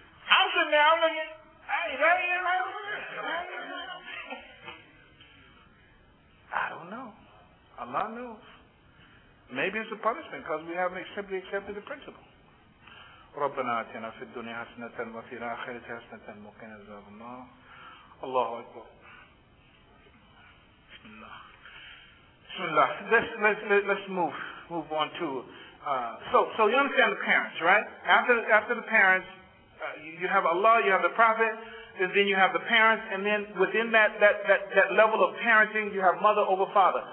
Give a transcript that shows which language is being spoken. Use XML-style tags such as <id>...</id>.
<en>I'm sitting there, I'm looking. Hey, is that here right over here? I don't know. Allah knows. Maybe it's a punishment because we haven't simply accepted the principle.</en> <ar>ربنا آتنا في الدنيا حسنة وفي الآخرة حسنة وقنا عذاب النار. الله أكبر.</ar> <en>بسم الله. Let's move on to So you understand the parents, right? After the parents, you have Allah, you have the Prophet, and then you have the parents, and then within that level of parenting, you have mother over father.</en>